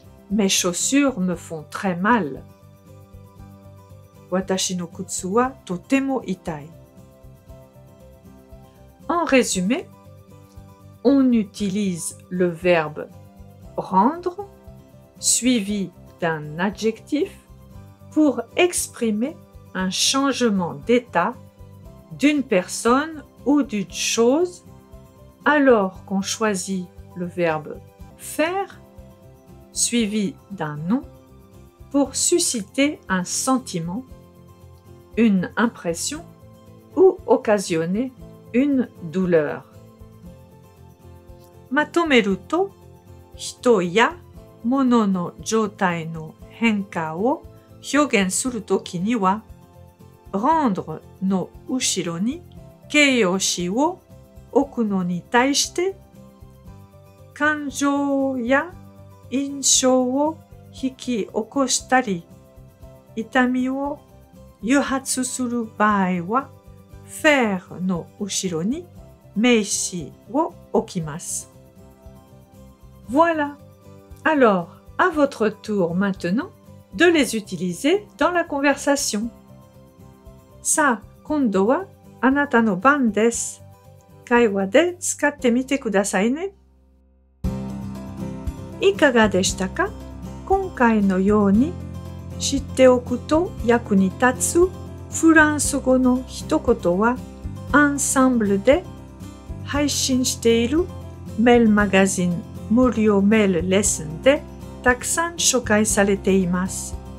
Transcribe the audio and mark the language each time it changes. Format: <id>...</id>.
<fr>Mes chaussures me font très mal.</fr> <ja>私の靴はとても痛い。</ja> <fr>En résumé, on utilise le verbe rendre suivi d'un adjectif pour exprimer un changement d'état d'une personne ou d'une chose, alors qu'on choisit le verbe faire suivi d'un nom pour susciter un sentimentune impression ou occasionner une douleur.</fr> <ja>まとめると、人や物の状態の変化を表現するときには、rendre の後ろに形容詞を置くのに対して、感情や印象を引き起こしたり、痛みを誘発する場合は、faire の後ろに名詞を置きます。</ja> <fr>Voilà! Alors, à votre tour maintenant de les utiliser dans la conversation.</fr> <ja>さあ、今度はあなたの番です。会話で使ってみてくださいね。いかがでしたか？今回のように知っておくと役に立つフランス語の一言はアンサンブルで配信しているメールマガジン無料メールレッスンでたくさん紹介されています。</ja>